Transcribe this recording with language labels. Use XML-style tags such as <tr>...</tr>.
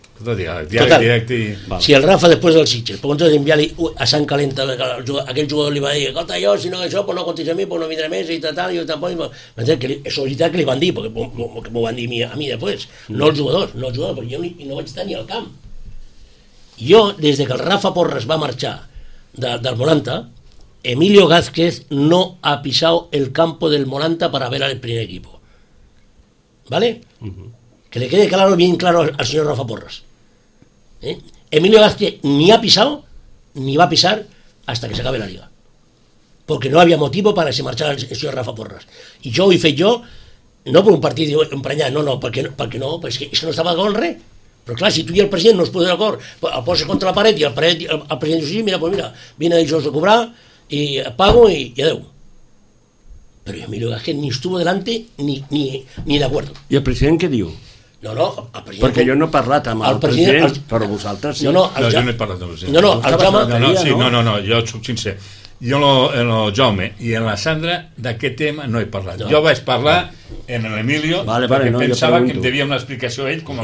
<ca>Diàleg directe. Val. Si el Rafa, després del Sitges, per contra d'enviar-li a Sant Calenta, aquell jugador li va dir, escolta, jo, si no això, pues no contis a mi, pues no vindré més, i tal, i tampoc... Això és veritat que li van dir, perquè m'ho van dir a mi després. No els jugadors, perquè jo no vaig estar ni al camp. Jo, des que el Rafa Porras va marxar del Volanta,</ca> <es>Emilio Gázquez no ha pisado el campo del Molanta para ver al primer equipo. ¿Vale? Que le quede claro, bien claro, al señor Rafa Porras. Emilio Gázquez ni ha pisado ni va a pisar hasta que se acabe la liga. Porque no había motivo para que se marchara el señor Rafa Porras. Y yo hice yo, no por un partido empañado, no, pues que eso no estaba con re.</es> <ca>Però clar, si tu i el president no es posen d'acord, el poses contra la paret i el president diu, sí, mira, pues mira, vine dijous a cobrar...</ca> <es>Y pago y adeu. Pero Emilio Gázquez ni estuvo delante ni de acuerdo. ¿Y el presidente qué dijo? No, el presidente. Porque yo</es> <ca>no he parlat amb el president, però vosaltres sí. No, jo no he parlat amb el president. No, jo sóc sincer. Jo en el Jaume i en la Sandra d'aquest tema no he parlat. No. Jo vaig parlar. No. en el Emilio, vale, vale, perquè no, pensava que em devia una explicació a ell com a</ca>